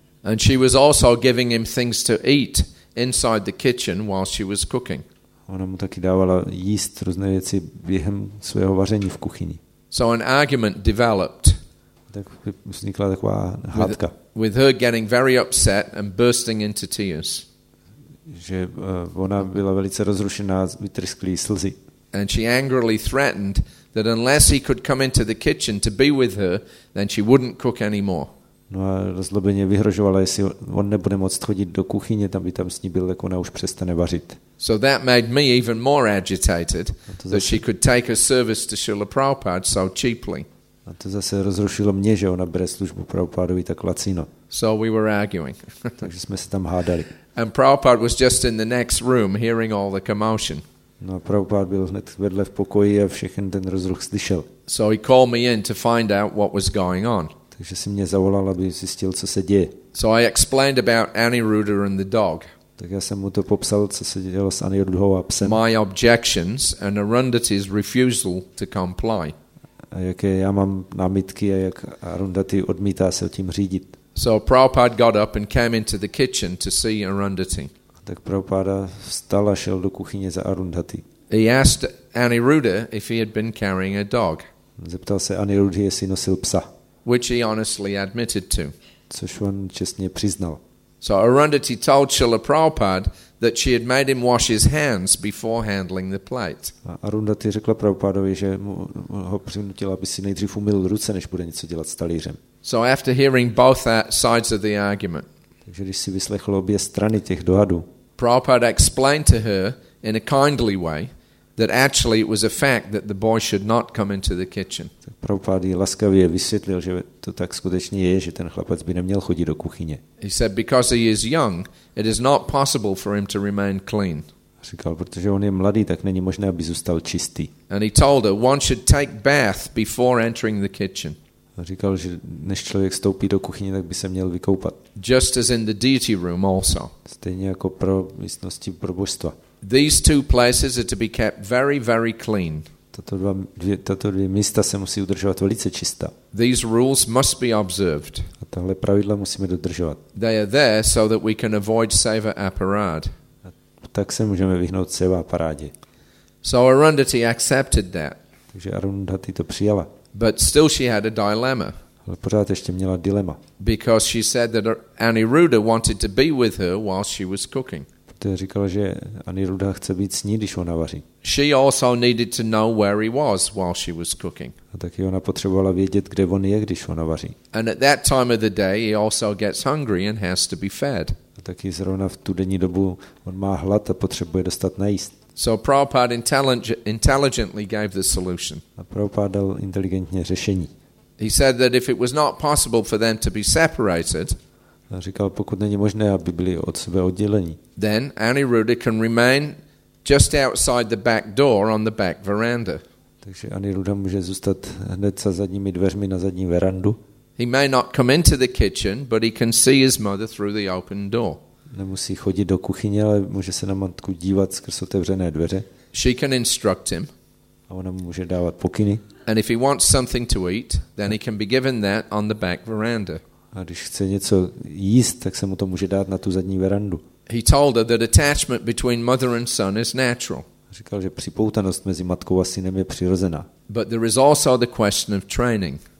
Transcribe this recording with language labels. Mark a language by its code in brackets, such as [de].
[en] And she was also giving him things to eat inside the kitchen while she was cooking. [cs] Ona mu taky dávala jíst různé věci během svého vaření v kuchyni. [en] So an argument developed. [cs] Tak vznikla taková hádka. [en] With her getting very upset and bursting into tears. [cs] Že ona byla velice rozrušená, vytrysklý slzy. [en] And she angrily threatened that unless he could come into the kitchen to be with her, then she wouldn't cook anymore. [cs] No a rozlobeně vyhrožovala, jestli on nebude moct chodit do kuchyně, tam by tam s ní byl, tak ona už přestane vařit. [en] So that made me even more agitated that she could take a service to Srila Prabhupada so cheaply. [cs] A to zase rozrušilo mě, že ona bere službu Prabhupádovi tak lacino. [en] So we were arguing. [cs] Takže jsme se tam hádali. [en] And Prabhupada was just in the next room hearing all the commotion. [cs] No a Prabhupada byl hned vedle v pokoji a všechen ten rozruch slyšel. [en] So he called me in to find out what was going on. [cs] Takže si mě zavolal, aby zjistil, co se děje. [en] So I explained about Aniruddha and the dog. [cs] Tak já jsem mu to popsal, co se dělo s Anirudhou a psem. [en] My objections and Arundhati's refusal to comply. [cs] A jaké já mám námitky a jak Arundhati odmítá se tím řídit. [en] So Prabhupada got up and came into the kitchen to see Arundhati. [cs] Tak Prabhupada vstal a šel do kuchyně za Arundhati. [en] He asked Aniruddha if he had been carrying a dog. [cs] Zeptal se Aniruddhy, jestli nosil psa. [en] Which he honestly admitted to. [cs] Což on čestně přiznal. [en] So Arundhati told Srila Prabhupada that she had made him wash his hands before handling the plate. [cs] A Arundhati řekla Prabhupadovi, že mu ho přinutila, aby si nejdřív umyl ruce, než bude něco dělat s talířem. [en] So after hearing both sides of the argument, [cs] takže když si vyslechl obě strany těch dohadů, [en] Prabhupada explained to her in a kindly way that actually it was a fact that the boy should not come into the kitchen. [cs] Tak Prabhupada jí laskavě vysvětlil, že to tak skutečně je, že ten chlapec by neměl chodit do kuchyně. [en] He said because he is young, it is not possible for him to remain clean. [cs] Říkal, protože on je mladý, tak není možné, aby zůstal čistý. [en] And he told her one should take bath before entering the kitchen. [cs] Říkal, že než člověk vstoupí do kuchyně, tak by se měl vykoupat. [en] Just as in the deity room also. [cs] Stejně jako pro místnosti pro božstva. [en] These two places are to be kept very, very clean. [cs] Tato dvě místa se musí udržovat velice čistá. [en] These rules must be observed. [cs] A tahle pravidla musíme dodržovat. [en] They are there so that we can avoid seva aparad. [cs] Tak se můžeme vyhnout seva aparádě. [en] So Arundhati accepted that. [cs] Takže Arundhati to přijala. [en] But still she had a dilemma. [cs] Ale pořád ještě měla dilema. [en] Because she said that Aniruddha wanted to be with her while she was cooking. [cs] Protože říkala, že Aniruddha chce být s ní, když ona vaří. [en] She also needed to know where he was while she was cooking. [cs] A taky ona potřebovala vědět, kde on je, když ona vaří. [en] And at that time of the day he also gets hungry and has to be fed. [cs] A taky zrovna v tu denní dobu on má hlad a potřebuje dostat najíst. [en] So Prabhupada intelligently gave the solution. [cs] A Prabhupada dal inteligentně řešení. [en] He said that if it was not possible for them to be separated, [cs] a říkal, pokud není možné, aby byli od sebe odděleni, [en] then Aniruddha can remain just outside the back door on the back veranda. [cs] Takže Aniruddha může zůstat hned za zadními dveřmi na zadní verandu. [en] He may not come into the kitchen, but he can see his mother through the open door. [cs] Nemusí chodit do kuchyně, ale může se na matku dívat skrz otevřené dveře. [en] She can instruct him. [cs] A ona mu může dávat pokyny. [en] And if he wants something to eat, then he can be given that on the back veranda. [cs] A když chce něco jíst, tak se mu to může dát na tu zadní verandu. [en] He told her that attachment between mother and son is natural. [cs] Říkal, že připoutanost mezi matkou a synem je přirozená. [en] But there is also the question of training.